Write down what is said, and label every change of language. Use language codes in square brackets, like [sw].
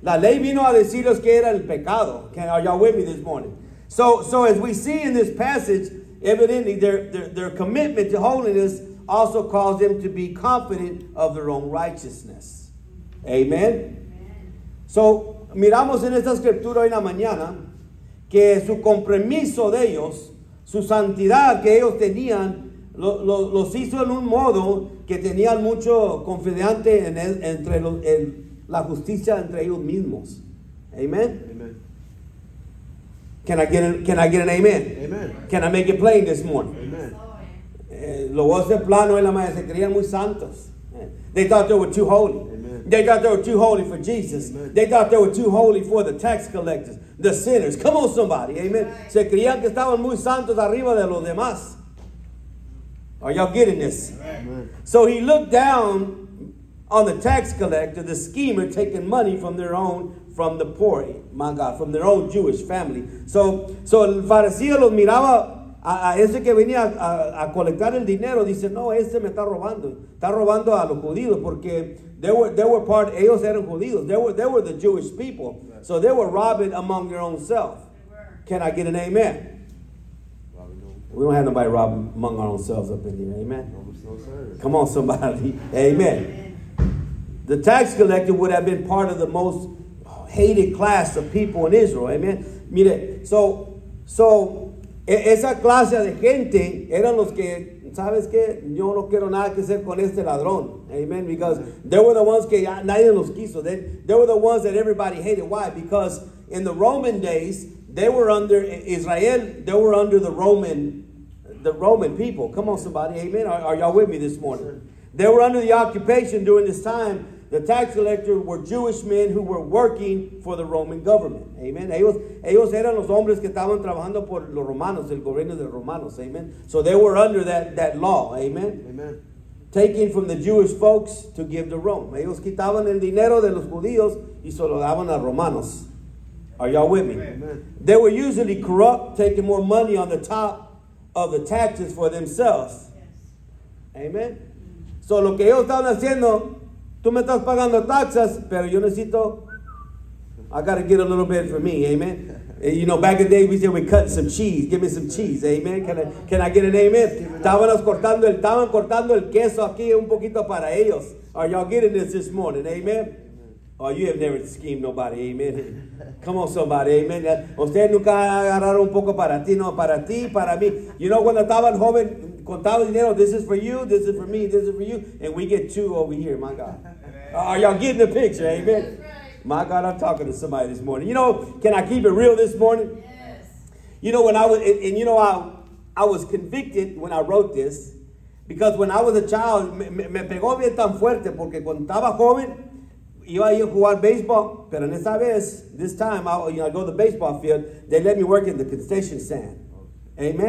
[es] La ley vino a decirles que era el pecado. [en] Are y'all with me this morning? So as we see in this passage, evidently, their commitment to holiness also caused them to be confident of their own righteousness. Amen? Amen. [es] So, miramos en esta escritura hoy en la mañana que su compromiso de ellos, su santidad que ellos tenían, los hizo en un modo que tenían mucho confidante en la justicia entre ellos mismos. [en] Amen? Amen. Can I get an amen? Amen. Can I make it plain this morning? Amen. [es] Lo voy a hacer plano en la mañana. Se creían muy santos. [en] They thought they were too holy. Amen. They thought they were too holy for Jesus. Amen. They thought they were too holy for the tax collectors, the sinners. Come on, somebody. Amen. Right. [es] Se creían que estaban muy santos arriba de los demás. [en] Are y'all getting this? Amen. So he looked down on the tax collector, the schemer, taking money from their own, from the poor, my God, from their own Jewish family. [es] So el fariseo los miraba a ese que venía a colectar el dinero. Dice, no, ese me está robando. Está robando a los judíos porque [en] they were part, [es] ellos eran judíos. [en] They were the Jewish people. So they were robbing among their own self. Can I get an amen? We don't have nobody robbing among our own selves up in here. Amen. Come on, somebody. Amen. The tax collector would have been part of the most hated class of people in Israel. Amen. [es] Mire, so esa clase de gente eran los que, ¿sabes qué? Yo no quiero nada que hacer con este ladrón. [en] Amen. Because they were the ones [es] que nadie los quiso. [en] They were the ones that everybody hated. Why? Because in the Roman days, they were under Israel, they were under the Roman people. Come on, somebody. Amen. Are y'all with me this morning? They were under the occupation during this time. The tax collector were Jewish men who were working for the Roman government. Amen. [es] Ellos eran los hombres que estaban trabajando por los romanos, el gobierno de los romanos. [en] Amen. So they were under that law. Amen. Amen. Taking from the Jewish folks to give to Rome. [es] Ellos quitaban el dinero de los judíos y se lo daban a romanos. [en] Are y'all with me? Amen. They were usually corrupt, taking more money on the top of the taxes for themselves. Yes. [es] Amen. Mm-hmm. So lo que ellos estaban haciendo, tú me estás pagando taxes, pero yo necesito, [en] I got to get a little bit for me, amen. You know, back in the day, we said we cut some cheese. Give me some cheese, amen. Can I get an amen? [es] Estaban cortando el queso aquí un poquito para ellos. [en] Are y'all getting this morning, amen? Oh, you have never schemed nobody, amen. Come on, somebody, amen. [es] Ustedes nunca agarraron un poco para ti, no, para ti, para mí. [en] You know, [es] cuando estaban joven, contaba dinero, [en] this is for you, this is for me, this is for you. And we get two over here, my God. Are y'all getting the picture, amen? My God, I'm talking to somebody this morning. You know, can I keep it real this morning? Yes. You know, when I was, and you know, I was convicted when I wrote this, because when I was a child, [es] me pegó bien tan fuerte, porque cuando estaba joven, iba a jugar baseball, pero en esa vez, [en] this time, I go to the baseball field, they let me work in the concession stand. Amen?